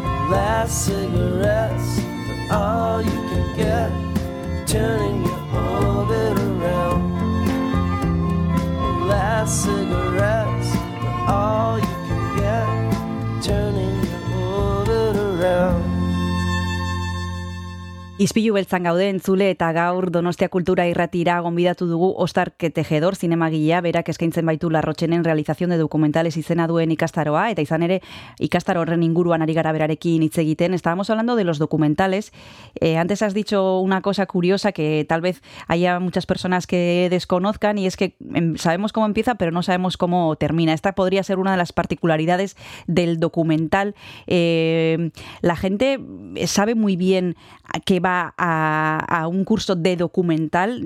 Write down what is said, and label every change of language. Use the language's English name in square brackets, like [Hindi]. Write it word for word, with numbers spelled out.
[English] Last cigarettes, but all you can get, turning your orbit around. Last cigarettes, but all you can get, turning your orbit around. [Basque] Ispilu beltzan gaude entzule eta gaur Donostia Kultura Irratira gonbidatu dugu Ostar Tejedor zinemagilea, berak eskaintzen baitu Larrotxenen realización de documentales izena duen ikastaroa, eta izan ere ikastaro horren inguruan ari gara berarekin hitz egiten. [Spanish] Estábamos hablando de los documentales. Eh, antes has dicho una cosa curiosa que tal vez haya muchas personas que desconozcan, y es que sabemos cómo empieza pero no sabemos cómo termina. Esta podría ser una de las particularidades del documental. Eh, la gente sabe muy bien que va A, a un curso de documental.